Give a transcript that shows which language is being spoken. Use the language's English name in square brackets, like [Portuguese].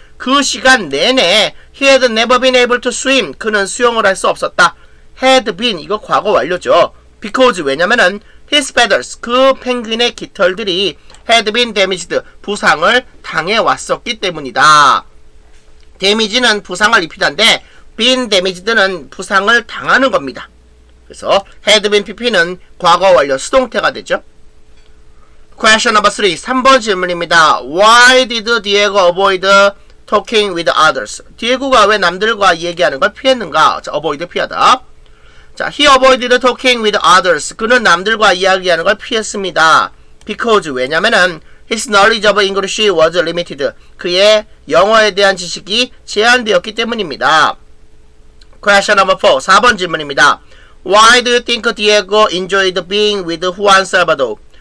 [Korean] 그 시간 내내, [English] he had never been able to swim. [Korean] 그는 수영을 할 수 없었다. had been, 이거 과거 완료죠. Because, 왜냐면은, [English] his feathers, [Korean] 그 펭귄의 깃털들이 [English] had been damaged, [Korean] 부상을 당해왔었기 때문이다. damage는 부상을 입히다인데, been damaged는 부상을 당하는 겁니다. 그래서, had been pp는 과거 완료 수동태가 되죠. [English] Question number 3, [Korean] 3번 질문입니다. [English] Why did Diego avoid talking with others? [Korean] Diego가 왜 남들과 얘기하는 걸 피했는가? 자, avoid 피하다. [English] 자, he avoided talking with others. [Korean] 그는 남들과 이야기하는 걸 피했습니다. [English] Because, [Korean] 왜냐면은, [English] his knowledge of English was limited. [Korean] 그의 영어에 대한 지식이 제한되었기 때문입니다. [English] Question number 4. [Korean] 4번 질문입니다. [English] Why do you think Diego enjoyed being with Juan Salvador?